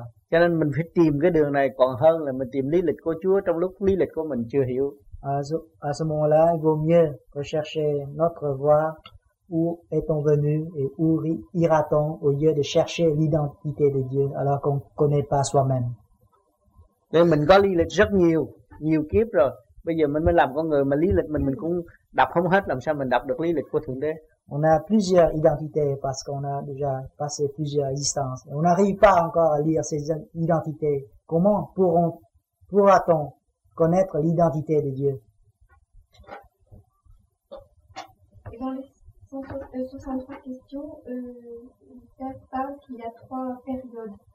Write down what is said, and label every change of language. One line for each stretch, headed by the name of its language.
Vietnamese: Cho nên mình phải tìm cái đường này còn hơn là mình tìm lý lịch của Chúa trong lúc lý lịch của mình chưa hiểu.
French: À ce moment-là, il vaut mieux rechercher notre voie, où est-on venu et où ira-t-on au lieu de chercher l'identité de Dieu alors qu'on ne connaît pas soi-même.
Vietnamese: Nên mình có lý lịch rất nhiều, nhiều kiếp rồi. Bây giờ mình mới làm con người mà lý lịch mình cũng đọc không hết, làm sao mình đọc được lý lịch của Thượng Đế.
French: On a plusieurs identités parce qu'on a déjà passé plusieurs existences. On n'arrive pas encore à lire ces identités. Comment pourra-t-on connaître l'identité de Dieu? Et dans les 63 questions, le père parle qu'il y a trois périodes.